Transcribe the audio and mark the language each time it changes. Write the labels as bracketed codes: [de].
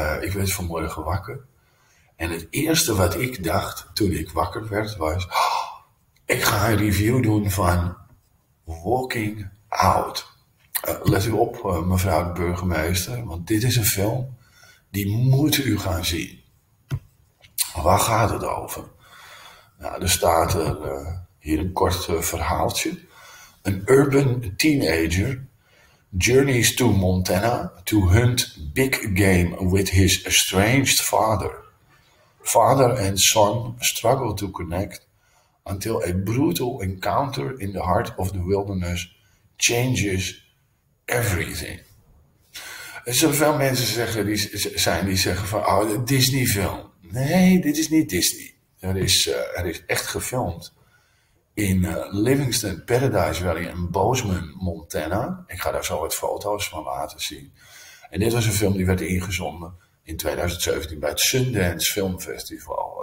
[nl] Ik werd vanmorgen wakker. En het eerste wat ik dacht toen ik wakker werd was, ik ga een review doen van Walking Out. Let u op, mevrouw de burgemeester, want dit is een film die moet u gaan zien. Waar gaat het over? Nou, er staat hier een kort verhaaltje. [en] Een urban teenager journeys to Montana to hunt big game with his estranged father. Father and son struggle to connect until a brutal encounter in the heart of the wilderness changes everything. [nl] Er zijn veel mensen zeggen, die zeggen van, oh, Disney film. Nee, dit is niet Disney. Er is echt gefilmd in Livingston Paradise Valley in Bozeman, Montana. Ik ga daar zo wat foto's van laten zien. En dit was een film die werd ingezonden in 2017 bij het Sundance Film Festival.